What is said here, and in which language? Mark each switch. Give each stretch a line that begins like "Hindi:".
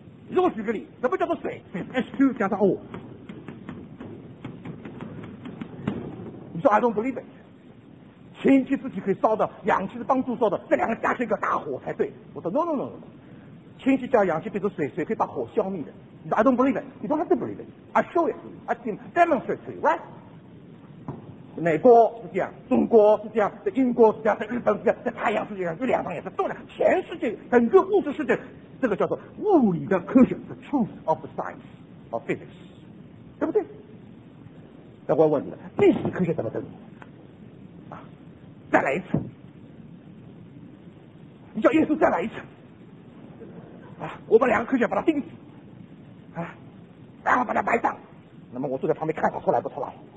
Chinese: 如果举个例，什么叫做水，水 H2 加上 O，你说
English: I don't believe it，
Chinese: 前期自己可以烧的，氧气的帮助烧的，这两个加起来一个大火才对。我说 no， 氢气加氧气变成水，水可以把火消灭的。
English: 你说 I don't believe it， you don't have to believe it， I show it， I can demonstrate to you， right？
Chinese: 美国是这样，中国是这样，在英国是这样，在日本是这样，在太阳世界上，月亮上也是，都是全世界整个物质世界，这个叫做物理的科学 ，
English: the truth of the science of physics，
Chinese: 对不对？那我问你了，历史科学怎么证明？啊，再来一次，你叫耶稣再来一次，啊，我们两个科学把他钉死，啊，然后把他埋葬，那么我坐在旁边看他出来不出来。